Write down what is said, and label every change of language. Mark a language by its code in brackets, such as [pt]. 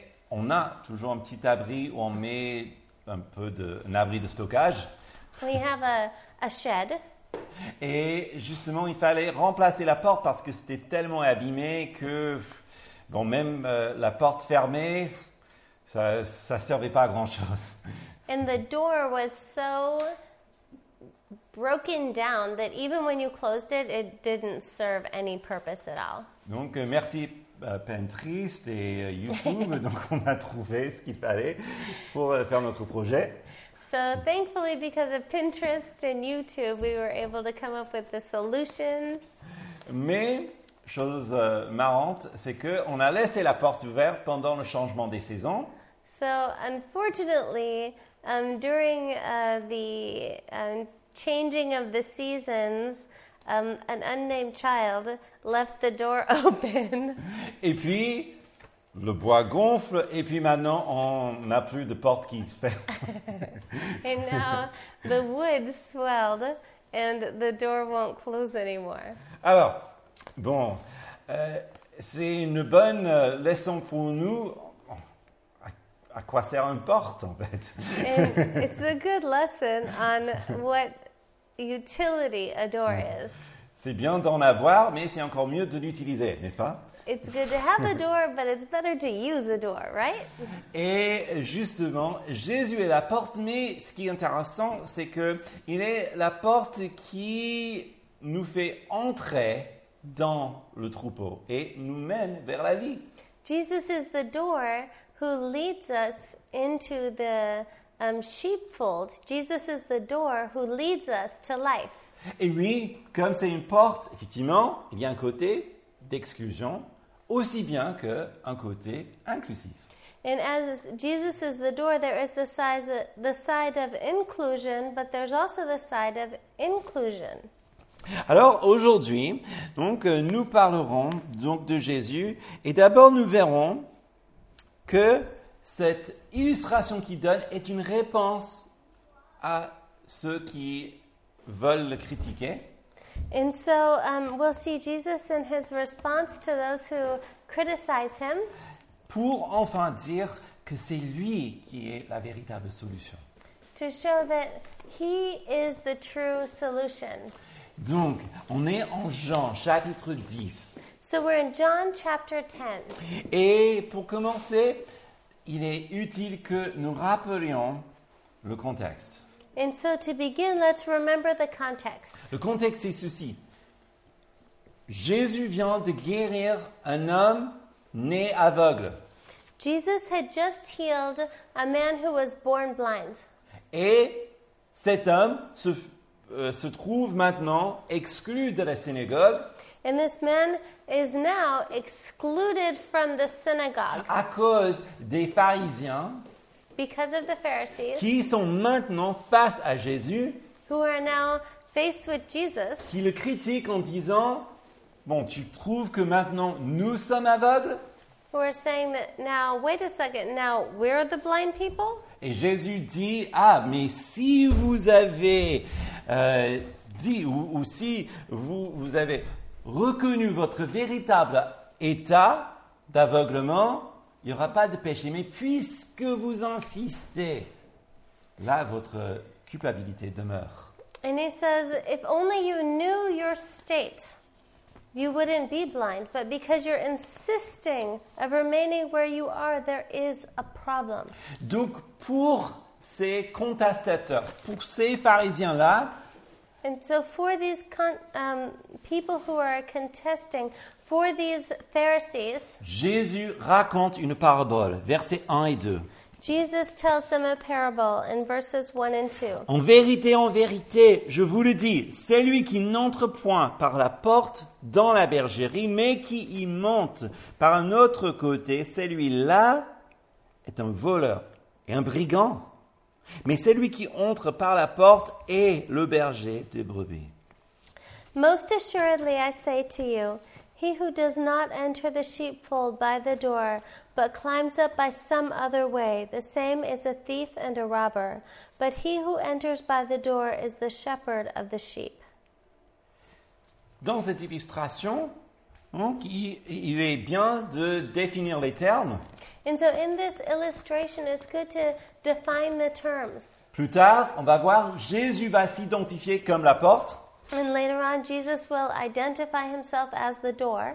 [fr] On a toujours un petit abri où on met un peu de un abri de stockage. [en] We have a shed. [fr] Et justement, il fallait remplacer la porte parce que c'était tellement abîmé que bon, même la porte fermée, ça servait pas à grand chose. [en] And the door was so broken down that even when you closed it, it didn't serve any purpose at all. [fr] Donc merci Pinterest et YouTube, donc on a trouvé ce qu'il fallait pour faire notre projet. [en] So thankfully, because of Pinterest and YouTube, we were able to come up with the solution. [fr] Mais chose marrante, c'est que on a laissé la porte ouverte pendant le changement des saisons. [en] So unfortunately, during the changing of the seasons, an unnamed child left the door open. [fr] Et puis, le bois gonfle, et puis maintenant, on n'a plus de porte qui ferme. [en] And now, the wood swelled, and the door won't close anymore. [fr] Alors, bon, c'est une bonne leçon pour nous. À quoi sert une porte, en fait? [en] And it's a good lesson on what utility a door is. [fr] C'est bien d'en avoir, mais c'est encore mieux de l'utiliser, n'est-ce pas? [en] It's good to have a door, but it's better to use a door, right? [fr] Et justement, Jésus est la porte, mais ce qui est intéressant, c'est qu'il est la porte qui nous fait entrer dans le troupeau et nous mène vers la vie. [en] Jesus is the door who leads us into the sheepfold. Jesus is the door who leads us to life. [fr] Et oui, comme c'est une porte, effectivement, il y a un côté d'exclusion, aussi bien qu'un côté inclusif. [en] And as Jesus is the door, there is the side of inclusion, but there's also the side of inclusion. [fr] Alors aujourd'hui, donc, nous parlerons donc, de Jésus, et d'abord nous verrons que cette illustration qu'il donne est une réponse à ceux qui veulent le critiquer. [en] And so we'll see Jesus and his response to those who criticize him. [fr] Pour enfin dire que c'est lui qui est la véritable solution. [en] To show that he is the true solution. [fr] Donc, on est en Jean chapitre 10. [en] So we're in John chapter 10. [fr] Et pour commencer, il est utile que nous rappelions le contexte. [en] And so to begin, let's remember the context. [fr] Le contexte est ceci. Jésus vient de guérir un homme né aveugle. [en] Jesus had just healed a man who was born blind. [fr] Et cet homme se se trouve maintenant exclu de la synagogue. [en] And this man is now excluded from the synagogue. [fr] À cause des pharisiens. [en] Because of the Pharisees. [fr] Qui sont maintenant face à Jésus. [en] Who are now faced with Jesus. [fr] Qui le critiquent en disant, bon, tu trouves que maintenant nous sommes aveugles? [en] Who are saying that now, wait a second, now we're the blind people? [fr] Et Jésus dit, ah, mais si vous avez dit, ou si vous avez reconnu votre véritable état d'aveuglement, il n'y aura pas de péché. Mais puisque vous insistez, là, votre culpabilité demeure. [en] And he says, if only you knew your state, you wouldn't be blind. But because you're insisting of remaining where you are, there is a problem. [fr] Donc, pour ces contestateurs, pour ces pharisiens-là, [en] and so for these people who are contesting, for these Pharisees, [fr] Jésus raconte une parabole, versets 1 et 2. [en] Jesus tells them a parable in verses 1 and 2. [fr] En vérité, je vous le dis, celui qui n'entre point par la porte dans la bergerie, mais qui y monte par un autre côté, celui-là est un voleur et un brigand. Mais celui qui entre par la porte est le berger des brebis. [en] Most assuredly, I say to you, he who does not enter the sheepfold by the door, but climbs up by some other way, the same is a thief and a robber. But he who enters by the door is the shepherd of the sheep. [fr] Dans cette illustration, donc, il est bien de définir les termes. [en] And so in this illustration, it's good to define the terms. [fr] Plus tard, on va voir, Jésus va s'identifier comme la porte. [en] And later on, Jesus will identify himself as the door.